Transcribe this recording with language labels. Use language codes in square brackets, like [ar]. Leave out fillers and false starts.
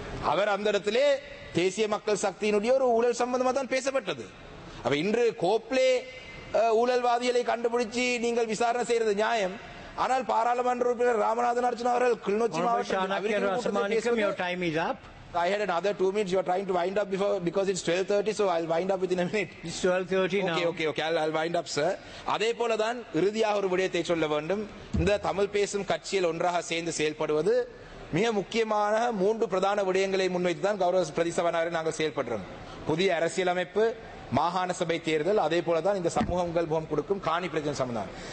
[ta] அவர் அந்த இடத்திலே தேசிய மக்கள் சக்தியினுடைய ஒரு ஊழல் சம்பந்தமாக தான் பேசப்பட்டது. அப்ப இன்று கோப்லே ஊழல்வாதிகளை கண்டுபிடிச்சு நீங்கள் விசாரணை செய்யறது நியாயம். ஆனால் பாராளுமன்ற உறுப்பினர் ராமநாதன் அர்ச்சனா அவர்கள் கிளிநொச்சி மாவட்டத்தில் [en] I had another 2 minutes. You are trying to wind up because it's 12:30, so I'll wind up within a minute. It's 12:30 now. Okay, I'll wind up, sir. [ta] அதே போலதான் இறுதியாக ஒரு விடயத்தை சொல்ல வேண்டும். இந்த தமிழ் பேசும் கட்சியில் ஒன்றாக சேர்ந்து செயல்படுவது மிக முக்கியமான 3 பிரதான விடயங்களை முன்வைத்துதான் கௌரவ பிரதிசபனாரை நாங்கள் செயல்படுறோம். புதிய அரசியலமைப்பு, மாகாண சபை தேர்தல், அதே போலதான் இந்த சமூகங்கள் முகம் கொடுக்கும் காணி பிரச்சனை சம்பந்தம்.